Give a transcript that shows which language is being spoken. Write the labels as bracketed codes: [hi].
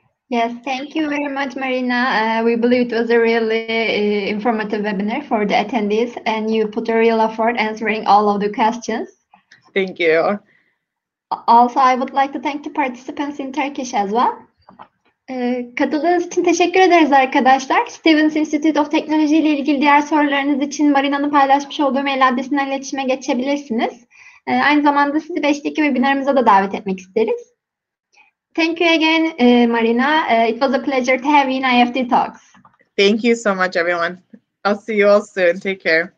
[en] Yes, thank you very much, Marina. We believe it was a really informative webinar for the attendees, and you put a real effort answering all of the questions. Thank you. Also, I would like to thank the participants in Turkish as well. [tr] Katıldığınız için teşekkür ederiz arkadaşlar. Stevens Institute of Technology ile ilgili diğer sorularınız için Marina'nın paylaşmış olduğu mail adresinden iletişime geçebilirsiniz. Aynı zamanda sizi 5'teki webinarımıza da davet etmek isteriz. [en] Thank you again, Marina. It was a pleasure to have you in IEFT Talks. Thank you so much, everyone. I'll see you all soon. Take care.